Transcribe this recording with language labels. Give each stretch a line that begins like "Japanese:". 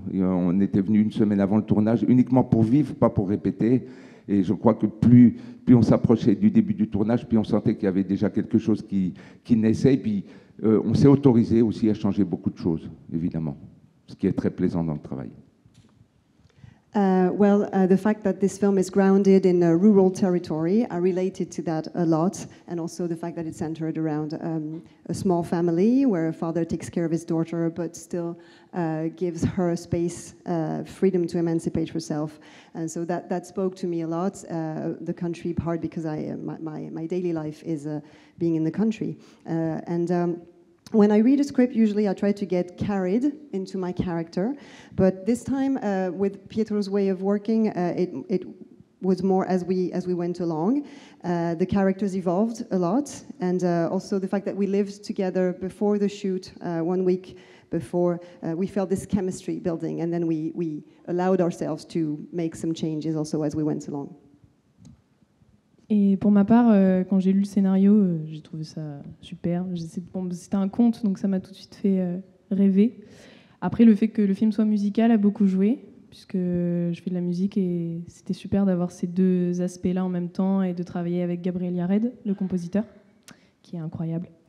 French: Et on était venus une semaine avant le tournage, uniquement pour vivre, pas pour répéter. Et je crois que plus on s'approchait du début du tournage, plus on sentait qu'il y avait déjà quelque chose qui naissait. Et puis, on s'est autorisé aussi à changer beaucoup de choses, évidemment, ce qui est très plaisant dans le travail.
English: The fact that this film is grounded in a rural territory, I related to that a lot, and also the fact that it's centered around a small family where a father takes care of his daughter but still gives her space, freedom to emancipate herself. And so that spoke to me a lot, the country part, because my daily life is being in the country. When I read a script, usually I try to get carried into my character, but this time with Pietro's way of working, it was more as we went along. The characters evolved a lot, and also the fact that we lived together before the shoot, 1 week before, we felt this chemistry building, and then we allowed ourselves to make some changes also as we went along.
French: Et pour ma part, quand j'ai lu le scénario, j'ai trouvé ça super. C'était un conte, donc ça m'a tout de suite fait rêver. Après, le fait que le film soit musical a beaucoup joué, puisque je fais de la musique, et c'était super d'avoir ces deux aspects-là en même temps et de travailler avec Gabriel Yared, le compositeur, qui est incroyable.